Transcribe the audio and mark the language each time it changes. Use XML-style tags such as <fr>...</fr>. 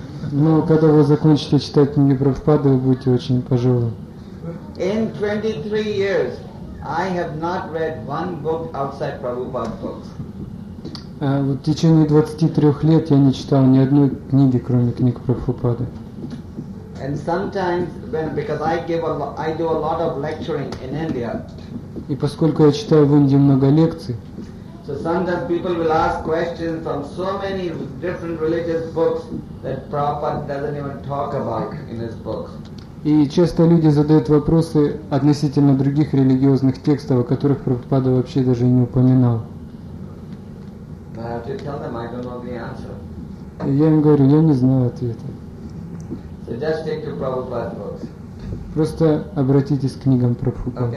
<ru>Но когда вы закончите читать книги Прабхупады, вы будете очень пожилым.</ru> <en>In 23 years, I have not read one book outside Prabhupada's books.</en> <ru>В течение 23 лет я не читал ни одной книги, кроме книг Прабхупады.</ru> <en>And sometimes, because I do a lot of lecturing in India.</en> <ru>И поскольку я читаю в Индии много лекций,</ru> <en>so sometimes people will ask questions from so many different religious books that Prabhupada doesn't even talk about in his books.</en> <ru>И часто люди задают вопросы относительно других религиозных текстов, о которых Прабхупада вообще даже и не упоминал.</ru> <en>But I have to tell them I don't know the answer.</en> <ru>И я им говорю, я не знаю ответа.</ru> <en>So just take to Prabhupada's books.</en> <ru>Просто обратитесь к книгам Прабхупады.</ru>